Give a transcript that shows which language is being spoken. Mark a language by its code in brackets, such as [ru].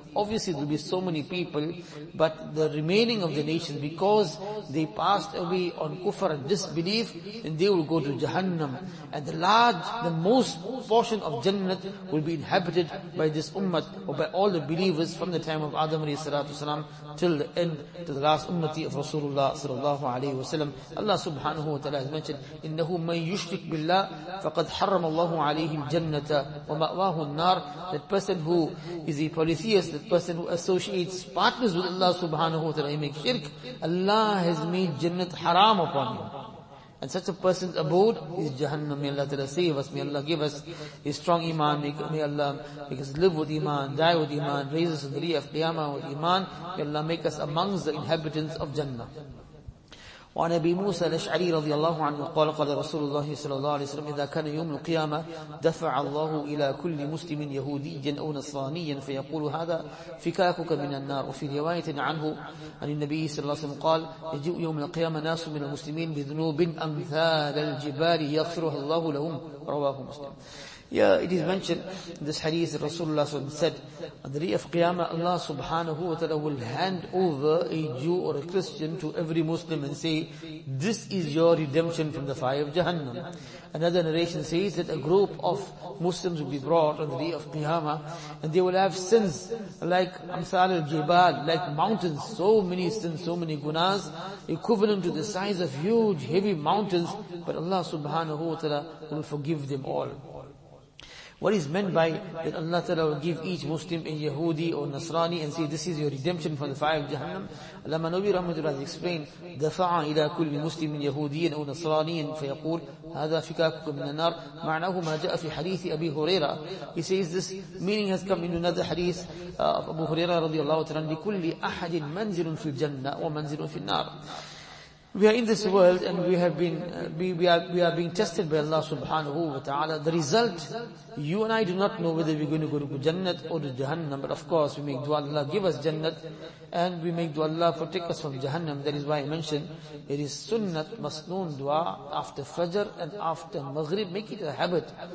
[en] Obviously there will be so many people, but the remaining of the nation, because they passed away on kufr and disbelief, and they will go to Jahannam. And the most portion of Jannat will be inhabited by this ummah, or by all the believers from the time of Adam alayhi salatu wasalam till the end, to the last ummati of Rasulullah sallallahu alayhi wasalam. [ar] Allah subhanahu wa ta'ala [en] has mentioned, [ar] إِنَّهُ مَنْ يُشْرِكْ بِاللَّهِ فَقَدْ حَرَّمَ اللَّهُ عَلَيْهِ الْجَنَّةَ وَمَأْوَاهُ النَّارِ. [en] That person who is a polytheist, that person who associates partners with Allah subhanahu wa ta'ala, he makes shirk, Allah has made Jannat haram upon him. And such a person's abode is Jahannam. May Allah ta'ala save us. May Allah give us a strong iman. May Allah make us live with iman, die with iman, raise us in the day of Qiyamah with iman. May Allah make us amongst the inhabitants of Jannah. [ar] وعن أبي موسى الأشعري رضي الله عنه قال قال رسول الله صلى الله عليه وسلم إذا كان يوم القيامة دفع الله إلى كل مسلم يهودي أو نصرانيا فيقول هذا فكاكك من النار. وفي رواية عنه عن النبي صلى الله عليه وسلم قال يجيء يوم القيامة ناس من المسلمين بذنوب أمثال الجبال يغفرها الله لهم رواه مسلم. [en] Yeah, it is mentioned in this hadith that Rasulullah said, on the day of Qiyamah, Allah subhanahu wa ta'ala will hand over a Jew or a Christian to every Muslim and say, this is your redemption from the fire of Jahannam. Another narration says that a group of Muslims will be brought on the day of Qiyamah, and they will have sins like Amsal al-Jibal, like mountains, so many sins, so many gunas, equivalent to the size of huge, heavy mountains, but Allah subhanahu wa ta'ala will forgive them all. What is meant by that Allah Ta'ala will give each Muslim a Yahudi or Nasrani and say this is your redemption from the fire of Jahannam? [ar] Allama Nabi Rahmatullah has explained, دَفَعَ إِلَىٰ كُلِّ مُسْلِمٍ يَهُودِيٍ أَوْ نَصْرَانِيٍ فَيَقُولُ هَذَا فِكَاكُكُ مِنَ النَّارِ مَعْنَاهُ مَا جَاءَ فِي حَدِيثِ أَبِي هُرَيْرَةَ. [en] He says this meaning has come in another hadith of Abu Huraira [ar] رضي الله تعالى عنه, لِكُلِّ أَحَدٍ مَنْزِلٌ فِي الْجَنَّةِ وَمَنْزِلٌ فِي النَّارِ. [en] We are in this world and we are being tested by Allah subhanahu wa ta'ala. The result, you and I do not know whether we're going to go to Jannat or to Jahannam, but of course we make dua Allah give us Jannat and we make dua Allah protect us from Jahannam. That is why I mentioned it is sunnat masnoon dua after Fajr and after Maghrib. Make it a habit.